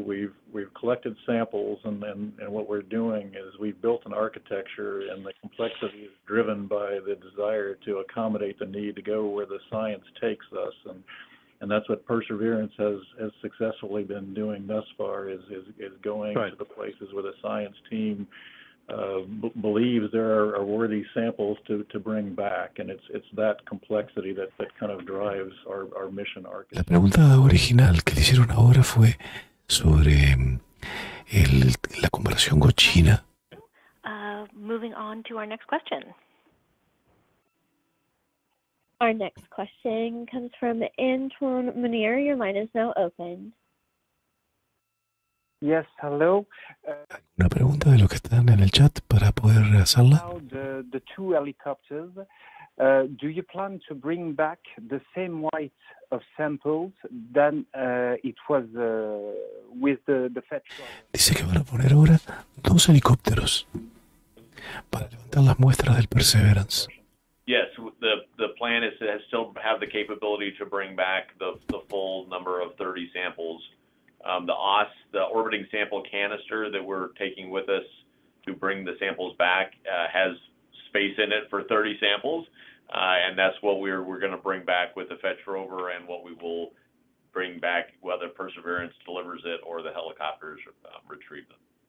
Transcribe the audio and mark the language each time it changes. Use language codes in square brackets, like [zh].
[en] We've collected samples, and what we're doing is we've built an architecture, and the complexity is driven by the desire to accommodate the need to go where the science takes us, and that's what Perseverance has successfully been doing thus far, is going right to the places where the science team believes there are worthy samples to bring back, and it's that complexity that kind of drives our mission arc. [es] La pregunta original que le hicieron ahora fue sobre la comparación con China. [en] Moving on to our next question. Our next question comes from Antoine Munier. Your line is now open. Yes, hello. [es] Una pregunta de los que están en el chat para poder hacerla. [en] The two helicopters, do you plan to bring back the same weight of samples than it was with the fetch rover? [es] Dice que van a poner ahora dos helicópteros para levantar las muestras del Perseverance. [en] Yes, the plan is to still have the capability to bring back the full number of 30 samples The orbiting sample canister that we're taking with us to bring the samples back has space in it for 30 samples, and that's what we're going to bring back with the Fetch rover, and what we will bring back, whether Perseverance delivers it or the helicopters retrieve them.